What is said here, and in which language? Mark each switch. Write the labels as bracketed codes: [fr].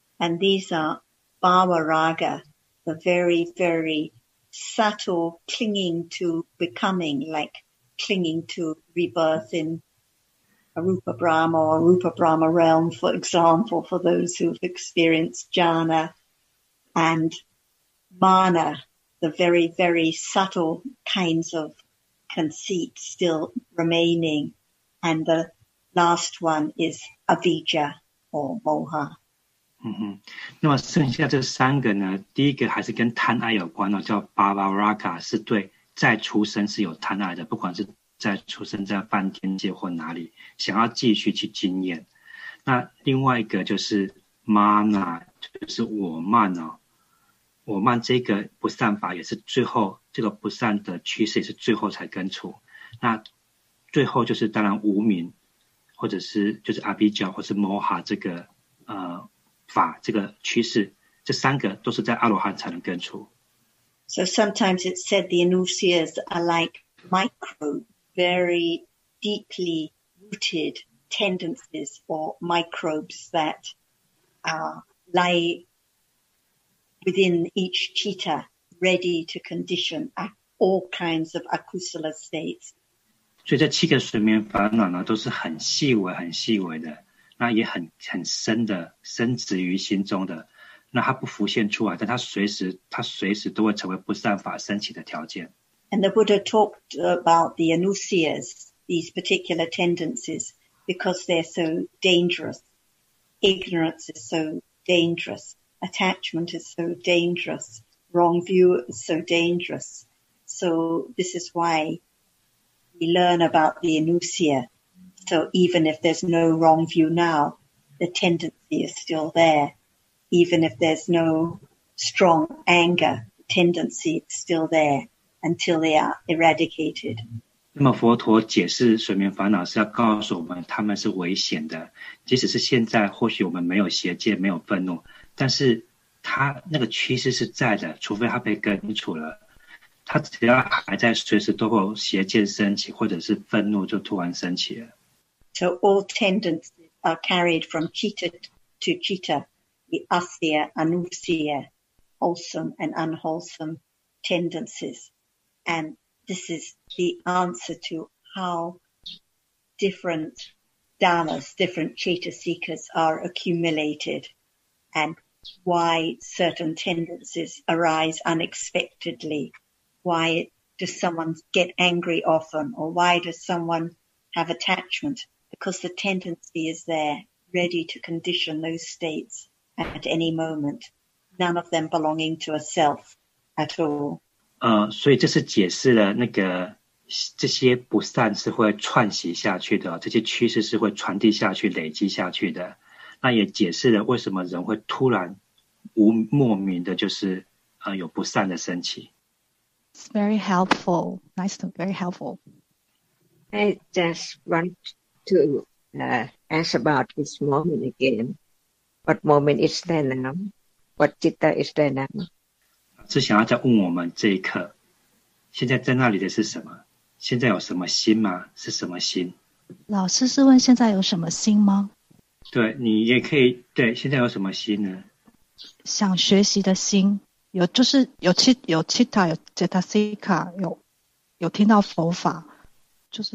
[en] And these are bhavaraga, the very, very subtle clinging to becoming, like clinging to rebirth in arupa brahma or arupa brahma realm, for example, for those who've experienced jhana, and mana, the very, very subtle kinds of conceit still remaining, and the last one is. Avijja or Moha. [zh] 那么剩下这三个呢，第一个还是跟贪爱有关、哦、叫 Bhavaraga, 是对再出生是有贪爱的，不管是再出生在梵天界或哪里，想要继续去经验。那另外一个就是 Mana, 就是我慢、哦、我慢这个不善法也是最后，这个不善的趋势也是最后才根除。那最后就是当然无明或者是就是阿比教或是摩哈这个法这个趋势，这三个都是在阿罗汉才能根除。 [en] So sometimes it's said the anusias are like microbes, very deeply rooted tendencies or microbes that lie within each citta, ready to condition all kinds of akusala states. [zh] 所以这七个睡眠烦恼呢，都是很细微、很细微的，那也很深的，深植于心中的。那它不浮现出来，但它随时都会成为不善法升起的条件。 [en] And the Buddha talked about the anusias, these particular tendencies, because they're so dangerous. Ignorance is so dangerous. Attachment is so dangerous. Wrong view is so dangerous. So this is why. We learn about the anusya. So even if there's no wrong view now, the tendency is still there. Even if there's no strong anger, the tendency is still there until they are eradicated. [zh] 那么佛陀解释睡眠烦恼是要告诉我们他们是危险的。即使是现在或许我们没有邪见没有愤怒，但是他那个趋势是在的，除非他被根除了。他只要还在，随时都会邪见升起，或者是愤怒就突然升起了。 [en] So all tendencies are carried from citta to citta, the asya, anusya, wholesome and unwholesome tendencies. And this is the answer to how different dhammas, different citta seekers are accumulated and why certain tendencies arise unexpectedly. Why does someone get angry often? Or why does someone have attachment? Because the tendency is there, ready to condition those states at any moment, none of them belonging to a self at all. [zh] 所以这是解释了那个这些不善是会串习下去的，这些趋势是会传递下去、累积下去的。那也解释了为什么人会突然无莫名的，就是有不善的升起。 [en] It's very helpful. Nice to very helpful. I just want to ask about this moment again. What moment is there now? What citta is there now? [zh] 是想要再问我们这一刻，现在在那里的是什么？现在有什么心吗？是什么心？老师是问现在有什么心吗？对，你也可以，对，现在有什么心呢？想学习的心，有就是有citta，有 cetasika， 有听到佛法，就是